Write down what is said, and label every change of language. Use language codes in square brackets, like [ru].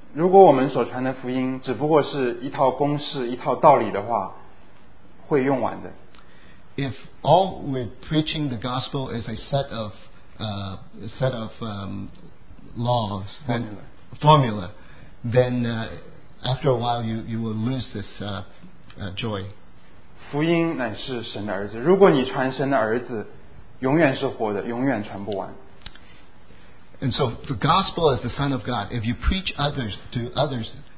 [zh] 如果我们所传的福音只不过是一套公式一套道理的话，会用完的。 [en] If all we're preaching the gospel is a set of laws then, formula then After a while, you will lose this joy. [zh] 福音乃是神的儿子。如果你传神的儿子，永远是活的，永远传不完。 [en] And so the gospel is the Son of God. If you preach others to others,